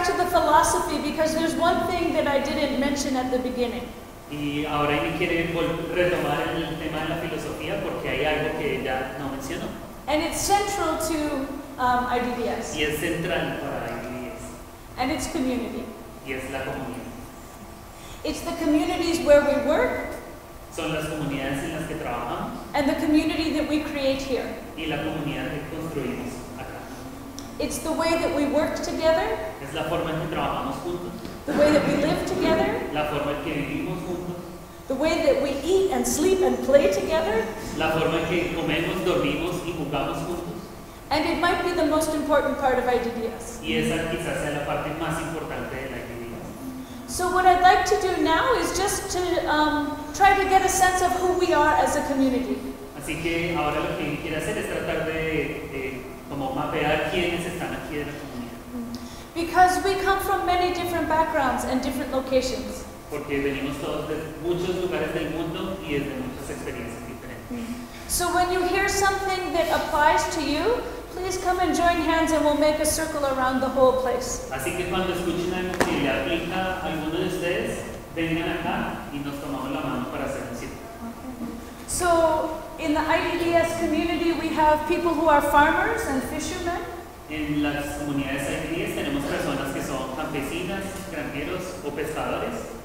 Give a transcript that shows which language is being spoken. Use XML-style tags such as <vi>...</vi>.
<en>Philosophy, because there's one thing that I didn't mention at the beginning.</en> <es>Y ahora me quiere retomar el tema de la filosofía porque hay algo que ya no menciono.</es> <en>And it's central to IDDS.</en> <es>Y es central para IDDS.</es> <en>And it's community.</en> <es>Y es la comunidad.</es> <en>It's the communities where we work.</en> <es>Son las comunidades en las que trabajamos.</es> <en>And the community that we create here.</en> <es>Y la comunidad que construimos.</es> <en>It's the way that we work together.</en> <es>Es la forma en que trabajamos juntos.</es> <en>The way that we live together.</en> <es>La forma en que vivimos juntos.</es> <en>The way that we eat and sleep and play together.</en> <es>La forma en que comemos, dormimos y jugamos juntos.</es> <en>And it might be the most important part of IDDS.</en> <es>Y esa quizás sea la parte más importante de la IDDS.</es> <en>So what I'd like to do now is just to try to get a sense of who we are as a community.</en> <es>Así que ahora lo que quiero hacer es tratar de como mapear quiénes están aquí en la comunidad.</es> <en>Because we come from many different backgrounds and different locations.</en> <es>Porque venimos todos de muchos lugares del mundo y desde muchas experiencias diferentes.</es> <en>So when you hear something that applies to you, please come and join hands and we'll make a circle around the whole place.</en> <es>Así que cuando escuchen algo que le aplica a alguno de ustedes, vengan acá y nos tomamos la mano para hacer un círculo.</es> <en>So, in the IDDS community, we have people who are farmers and fishermen.</en> <es>En las comunidades IDDS tenemos personas que son campesinas, granjeros o pescadores.</es>